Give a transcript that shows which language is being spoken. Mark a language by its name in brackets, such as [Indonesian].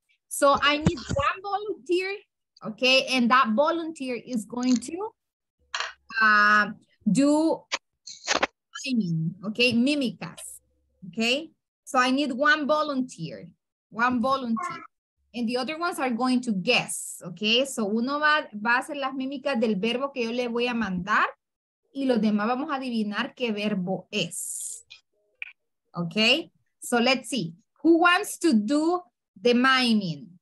[English] So I need one volunteer, okay, and that volunteer is going to do timing, okay, mimicas, okay? So I need one volunteer, and the other ones are going to guess, okay? [Spanish] So uno va a hacer las mímicas del verbo que yo le voy a mandar, y los demás vamos a adivinar qué verbo es, okay? [English] So let's see, who wants to do the miming?